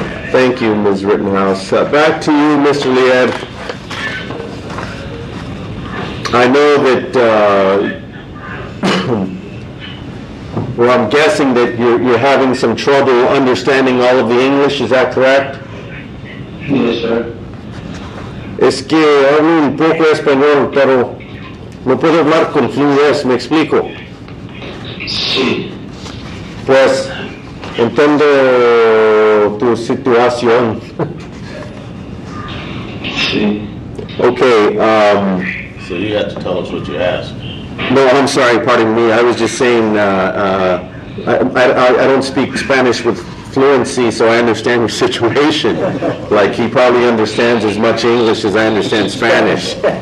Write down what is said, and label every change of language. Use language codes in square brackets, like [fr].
[en] Thank you, Ms. Rittenhouse. Back to you, Mr. Leeb. I know that, well, I'm guessing that you're having some trouble understanding all of the English, is that correct? Yes, sir. [es] Es que hablo un poco español, pero no puedo hablar con fluidez, ¿me explico? Sí. Pues, entiendo tu situación. Sí. [en] Okay. So you have to tell us what you asked. No, I'm sorry, pardon me. I was just saying I don't speak Spanish with fluency, so I understand your situation. Like, he probably understands as much English as I understand Spanish.